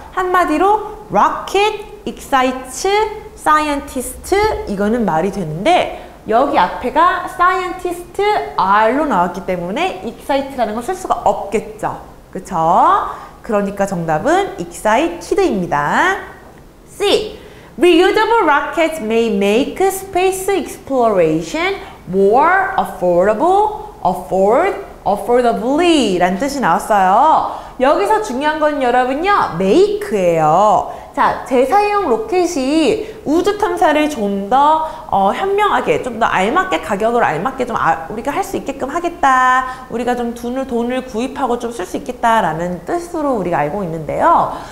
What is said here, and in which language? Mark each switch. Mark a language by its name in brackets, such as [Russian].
[Korean] 한마디로 rocket, excite, scientist, 이거는 말이 되는데, 여기 앞에가 scientist R로 나왔기 때문에 excite라는 걸 쓸 수가 없겠죠. 그쵸? 그러니까 정답은 excited입니다. C. [English] Reusable rockets may make space exploration more affordable, affordably [Korean] 라는 뜻이 나왔어요. 여기서 중요한 건 여러분요, make예요. 자, 재사용 로켓이 우주 탐사를 좀 더 현명하게, 좀 더 알맞게, 가격을 알맞게 좀 우리가 할 수 있게끔 하겠다. 우리가 좀 돈을 구입하고 좀 쓸 수 있겠다라는 뜻으로 우리가 알고 있는데요.